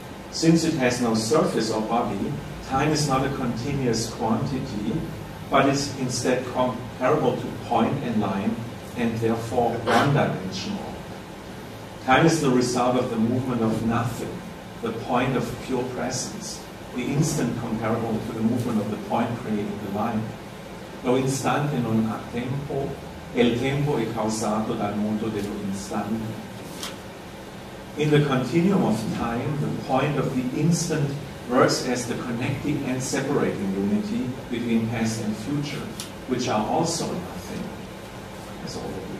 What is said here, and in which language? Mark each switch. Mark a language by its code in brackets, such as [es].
[en] Since it has no surface or body, time is not a continuous quantity, but is instead comparable to point and line, and therefore one-dimensional. Time is the result of the movement of nothing, the point of pure presence, the instant comparable to the movement of the point creating the line. [it] Lo istante non ha tempo, il tempo è causato dal mondo dello istante. [en] In the continuum of time, the point of the instant works as the connecting and separating unity between past and future, which are also nothing, as always.